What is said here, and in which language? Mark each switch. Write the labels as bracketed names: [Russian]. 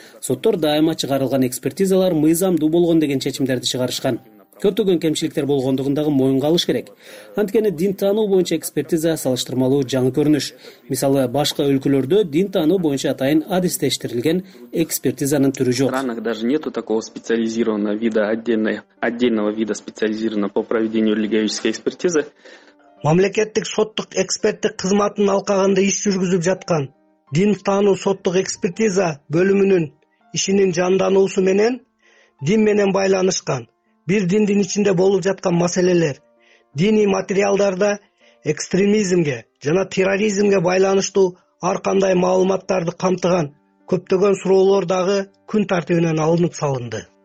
[Kyrgyz] Соттор дайыма чыгарылган экспертизалар мыйзамдуу болгон деген чечимдерди чыгарышкан. Көптөгөн кемчиликтер болгондугундагы моюнга алыш керек. Анткени дин таануу боюнча экспертиза салыштырмалуу жаңы көрүнүш. Мисалы, башка өлкөлөрдө дин таануу боюнча атайын адистештирилген экспертизанын түрү жок. [Russian] В странах даже нету такого специализированного вида, отдельного вида специализированного по проведению религиозной экспертизы. [Kyrgyz] Мамлекеттик соттук эксперттик кызматынын алкагында иш жүргүзүп жаткан дин таануу соттук экспертиза бөлүмүнүн ишинин жандануусу менен дин менен байланышкан бир диндин ичинде болуп жаткан маселелер, диний материалдарда экстремизмге жана терроризмге байланыштуу ар кандай маалыматтарды камтыган көптөгөн суроолор дагы күн тартибинен алынып салынды.